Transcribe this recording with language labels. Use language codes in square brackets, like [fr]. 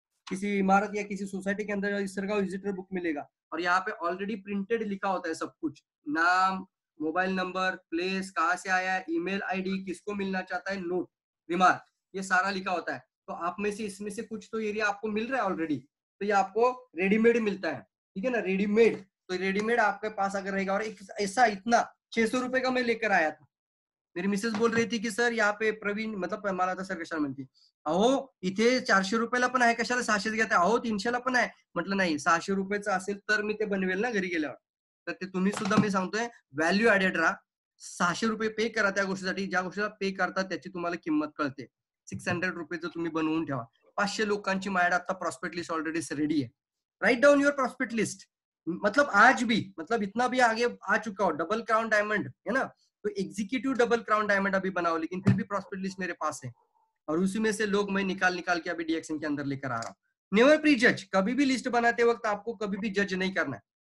[hi] किसी इमारत या किसी सोसाइटी के अंदर इस तरह का विजिटर बुक मिलेगा, और यहाँ पे ऑलरेडी प्रिंटेड लिखा होता है सब कुछ, नाम, मोबाइल नंबर, प्लेस, कहाँ से आया, ईमेल आईडी, किसको मिलना चाहता है, नोट रिमार्क, ये सारा लिखा होता है। तो आप में से इसमें से कुछ तो एरिया आपको मिल रहा है ऑलरेडी, तो ये आपको रेडीमेड मिलता है, ठीक है ना, रेडीमेड। तो रेडीमेड आपके पास अगर रहेगा, और एक ऐसा इतना 600 रुपए का मैं लेकर आया था, मेरी मिसेस बोल रही थी कि सर यहाँ पे प्रवीण, मतलब माला था सर, [mr] कशाला म्हणती अहो इथे 400 रुपयाला पण आहे, कशाला 600 घेत आहे, अहो 300ला पण आहे, म्हटलं नाही 600 रुपयाचं असेल तर मी ते बनवेल ना घरी गेल्यावर। तर ते तुम्ही सुद्धा, मी सांगतोय, व्हॅल्यू ऍडेड राहा, 600 रुपये पे करा त्या गोष्टीसाठी, ज्या गोष्टीला पे करता त्याची तुम्हाला किंमत कळते। 600 रुपये तुम्ही बनवून ठेवा, 500 लोकांची माझ्याकडे आता प्रॉस्पेक्ट लिस्ट ऑलरेडी रेडी आहे, [en] Right down your prospect list. [hi] मतलब आज भी, मतलब इतना भी आगे आ चुका हो, डबल क्राउन डायमंड है ना, तो एग्जीक्यूटिव डबल क्राउन डायमंड अभी बनाओ, लेकिन फिर भी प्रॉस्पेक्ट लिस्ट मेरे पास है, और उसी में से लोग मैं निकाल निकाल के अभी डीएक्शन के अंदर लेकर आ रहा हूँ। [en] never prejudge, [hi] कभी भी लिस्ट बनाते वक्त आपको कभी भी जज नहीं करना है।